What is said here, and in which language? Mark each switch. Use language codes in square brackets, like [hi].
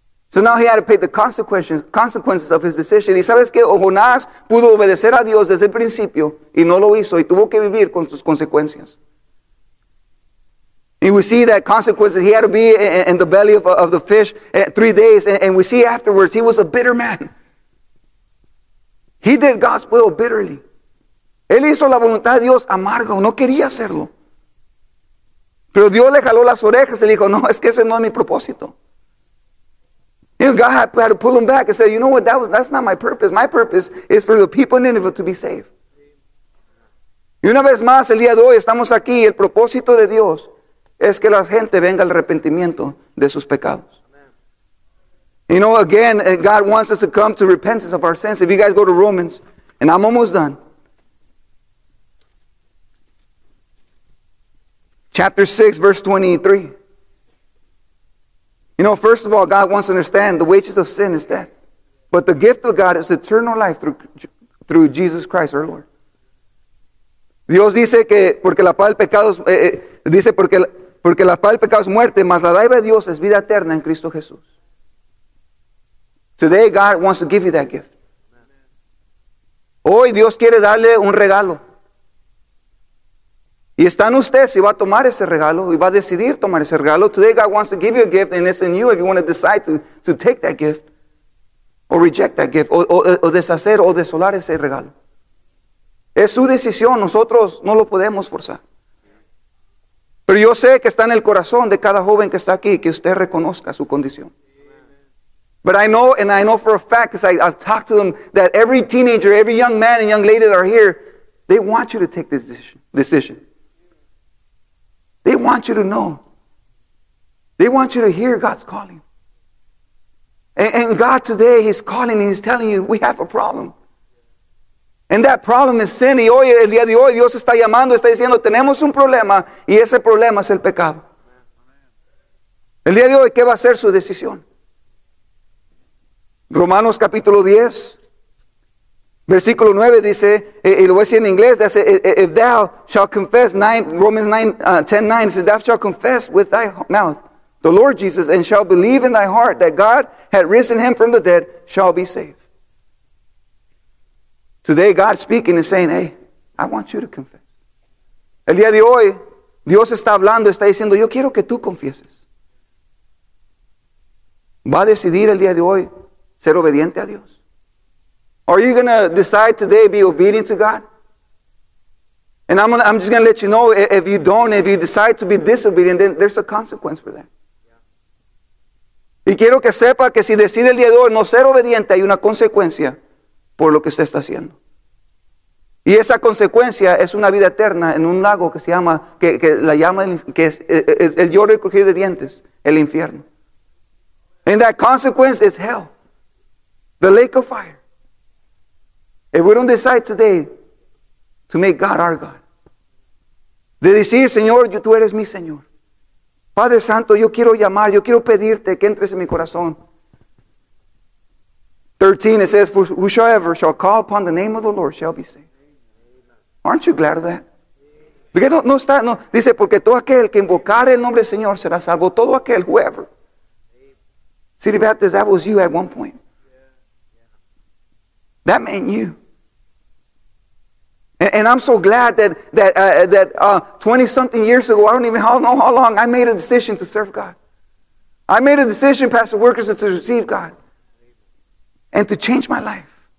[en] So now he had to pay the consequences of his decision. [es] Y sabes que Jonás pudo obedecer a Dios desde el principio, y no lo hizo, y tuvo que vivir con sus consecuencias. [en] And we see that consequences, he had to be in the belly of the fish 3 days, and we see afterwards, he was a bitter man. He did God's will bitterly. [es] Él hizo la voluntad de Dios amargo, no quería hacerlo. Pero Dios le jaló las orejas y le dijo, no, es que ese no es mi propósito. [en] You know, God had to pull him back and say, you know what, that's not my purpose. My purpose is for the people in Nineveh to be saved. [es] Y una vez más, el día de hoy, estamos aquí, el propósito de Dios es que la gente venga al arrepentimiento de sus pecados. [en] You know, again, God wants us to come to repentance of our sins. If you guys go to Romans, and I'm almost done. Chapter 6, verse 23. You know, first of all, God wants to understand the wages of sin is death. But the gift of God is eternal life through Jesus Christ, our Lord. [es] Dios dice que, porque la paga del pecado es, dice porque la paga del pecado es muerte, mas la dádiva de Dios es vida eterna en Cristo Jesús. [en] Today, God wants to give you that gift. [es] Hoy, Dios quiere darle un regalo. Y está en usted si va a tomar ese regalo y va a decidir tomar ese regalo. [en] Today, God wants to give you a gift, and it's in you if you want to decide to take that gift or reject that gift or [es] deshacer o desolar ese regalo. Es su decisión. Nosotros no lo podemos forzar. Pero yo sé que está en el corazón de cada joven que está aquí que usted reconozca su condición. [en] But I know, and I know for a fact, because I've talked to them, that every teenager, every young man and young lady that are here, they want you to take this decision. They want you to know They want you to hear God's calling. And God today, He's calling and He's telling you, we have a problem. And that problem is sin. [es] Y hoy, el día de hoy, Dios está llamando, está diciendo, tenemos un problema, y ese problema es el pecado. El día de hoy, ¿qué va a ser su decisión? Romanos capítulo 10, versículo 9 dice, y lo voy a decir en inglés, dice, [en] if thou shalt confess, Romans 10:9 says, thou shalt confess with thy mouth the Lord Jesus, and shall believe in thy heart that God had risen him from the dead, shall be saved. Today, God speaking is saying, hey, I want you to confess. [es] El día de hoy, Dios está hablando, está diciendo, yo quiero que tú confieses. ¿Va a decidir el día de hoy ser obediente a Dios? [en] Are you going to decide today to be obedient to God? And I'm just going to let you know, if you don't, if you decide to be disobedient, then there's a consequence for that. [es] Y quiero que sepa que si decide el día de hoy no ser obediente, hay una consecuencia por lo que usted está haciendo. Y esa consecuencia es una vida eterna en un lago que se llama, que la llama, que es el lloro y crujir de dientes, el infierno. [en] And that consequence is hell, the lake of fire. If we don't decide today to make God our God, [es] de decir, Señor, tú eres mi Señor. Padre Santo, yo quiero llamar, yo quiero pedirte que entres en mi corazón. [en] 13, it says, for whosoever shall call upon the name of the Lord shall be saved. Aren't you glad of that? [es] Porque no está, no, dice, porque todo aquel que invocare el nombre del Señor será salvo, todo aquel, whoever. [en] City Baptist, that was you at one point. That meant you. And I'm so glad that 20-something years ago, I don't even know how long, I made a decision to serve God. I made a decision, Pastor Workers, to receive God and to change my life.